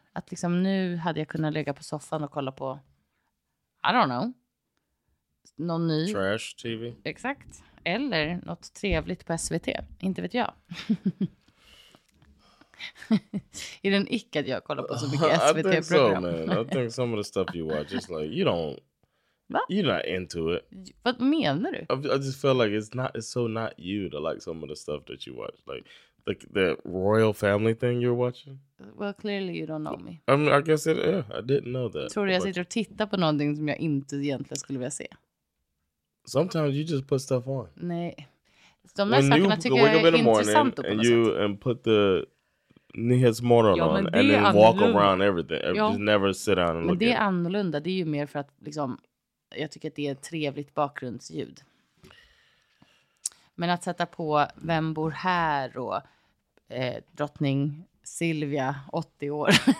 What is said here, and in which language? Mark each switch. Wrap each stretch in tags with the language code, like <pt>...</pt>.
<sv>Att liksom nu hade jag kunnat ligga på soffan och kolla på,</sv> <en>I don't know,</en> <sv>någon ny...</sv> <en>Trash TV.</en> <sv>Exakt. Eller något trevligt på SVT. Inte vet jag. Är den icke att jag kollar på så mycket SVT-program?</sv> <en>I think so, man. I think some of the stuff you watch is like, you don't...</en> <sv>Va?</sv> <en>You're not into it.</en> <sv>Vad menar du?</sv> <en>I just feel like it's so not you to like some of the stuff that you watch. Like... Like the royal family thing you're watching? Well, clearly you don't know me. I mean, I guess it, yeah, I didn't know that.</en> <sv>Tror du jag sitter och tittar på någonting som jag inte egentligen skulle vilja se?</sv> <en>Sometimes you just put stuff on.</en> <sv>Nej. De där sakerna tycker jag är intressant på något sätt.</sv> <en>And put the nyhetsmorgon on and then walk around everything. Just never sit down and look at it.</en> <sv>Men det är annorlunda. Det är ju mer för att liksom, jag tycker att det är trevligt bakgrundsljud. Men att sätta på vem bor här och drottning Silvia, 80 år.</sv>